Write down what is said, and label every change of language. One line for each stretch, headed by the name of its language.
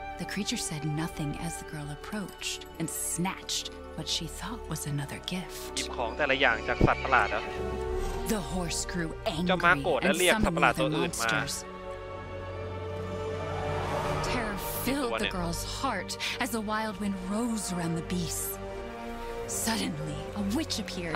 English: The creature said nothing as the girl approached and snatched what she thought was another gift.
Thai: หยิบของแต่ละอย่างจากสัตว์ประหลาดแล้ว
English: The horse grew angry.
Thai: เจ้าม้าโกรธและเรียกสัตว์ประหลาดตัวอื่นมา
English: Terror filled the girl's heart as the wild wind rose around the beast. Suddenly, a witch appeared.